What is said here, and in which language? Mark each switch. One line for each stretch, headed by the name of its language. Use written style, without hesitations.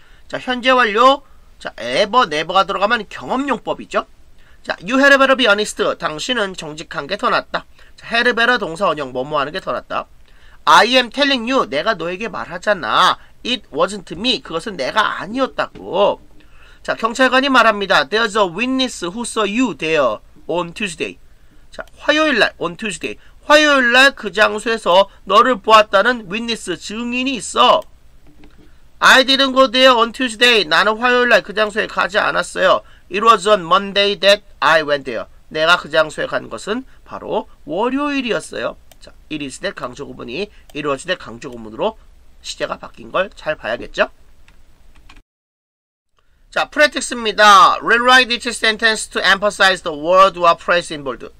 Korean: 자, 현재 완료. 자, ever, never가 들어가면 경험용법이죠.
English: 자, you had better be honest.
Korean: 당신은 정직한 게 더 낫다. 자, had better 동사 원형, 뭐뭐 하는 게 더 낫다.
English: I am telling you.
Korean: 내가 너에게 말하잖아.
English: It wasn't me.
Korean: 그것은 내가 아니었다고. 자, 경찰관이 말합니다.
English: There's a witness who saw you there on Tuesday.
Korean: 자, 화요일날, on Tuesday. 화요일날 그 장소에서 너를 보았다는 witness, 증인이 있어.
English: I didn't go there on Tuesday.
Korean: 나는 화요일날 그 장소에 가지 않았어요.
English: It was on Monday that I went there.
Korean: 내가 그 장소에 간 것은 바로 월요일이었어요. 자, it is that 강조구문이 it was that 강조구문으로 시제가 바뀐 걸 잘 봐야겠죠? 자, 프레틱스입니다.
English: Rewrite each sentence to emphasize the word or phrase in bold.